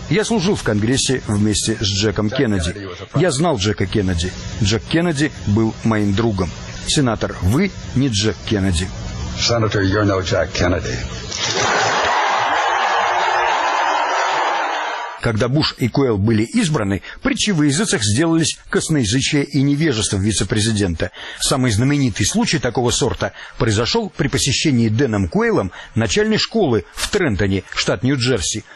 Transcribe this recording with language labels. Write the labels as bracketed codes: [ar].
[ru] я служил в Конгрессе вместе с Джеком Кеннеди. Я знал Джека Кеннеди. Джек Кеннеди был моим другом. Сенатор, вы не Джек Кеннеди. [en] Senator, you're no Jack Kennedy. [ru] Когда Буш и Куэйл были избраны, притчи в языцах сделались косноязычие и невежество вице-президента. Самый знаменитый случай такого сорта произошел при посещении Дэном Куэйлом начальной школы в Трентоне, штат Нью-Джерси.